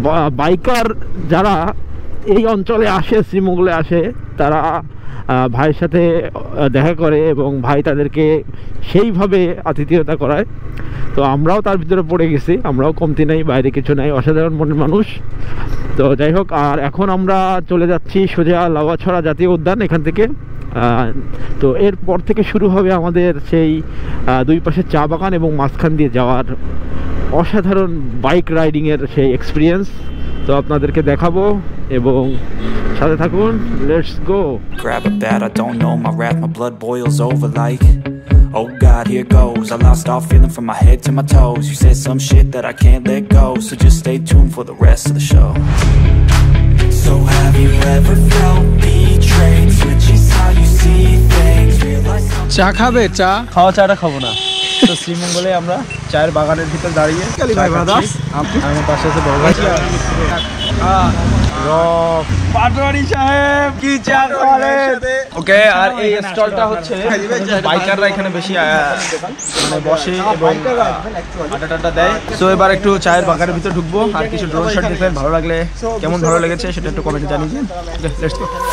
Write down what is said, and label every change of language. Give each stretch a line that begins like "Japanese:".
Bangla: biker যারা এই অঞ্চলে আসে শ্রীমঙ্গলে আসে তারা ভাইয়ের সাথে দেখা করে এবং ভাই তাদেরকে সেইভাবে আতিথেয়তা করায় তো আমরাও তার ভিতরে পড়ে গেছি আমরাও কমতি নাই বাইরে কিছু নাই অসাধারণ মনের মানুষ তো যাই হোক আর এখন আমরা চলে যাচ্ছি সোজা লাউয়াছড়া জাতীয় উদ্যান এখান থেকে তো এরপর থেকে শুরু হবে আমাদের সেই দুই পাশে চা বাগান এবং মাঝখান দিয়ে যাওয়ার অসাধারণ বাইক রাইডিংয়ের সেই এক্সপিরিয়েন্স তো আপনাদেরকে দেখাবো এবং সাথে থাকুন
English: let's go grab a bat I don't know my wrath my blood boils over like oh god here goes I lost all feeling from my head to my toes you said some shit that I can't let go so just stay tuned for the rest of the show so have you ever felt betrayed switching how you see things realize
Bangla: চা খাবে চা খাও চাটা খাবো না তো শ্রীমঙ্গলে আমরা চায়ের বাগানের ভিতর দাঁড়িয়ে খালি ভাই আমার পাশে আছে বড় পাটোয়ারি সাহেব কি চা খালেন ওকে আর এই স্টলটা হচ্ছে বাইকাররা এখানে বেশি মানে বসে এবং আড্ডা টাড্ডা দেয় সো এবার একটু চায়ের বাগানের ভিতর ঢুকবো আর কিছু ড্রোন শট দেখবেন ভালো লাগলে কেমন ভালো লেগেছে সেটা একটু কমেন্টে জানিয়ে দিন
English: let's go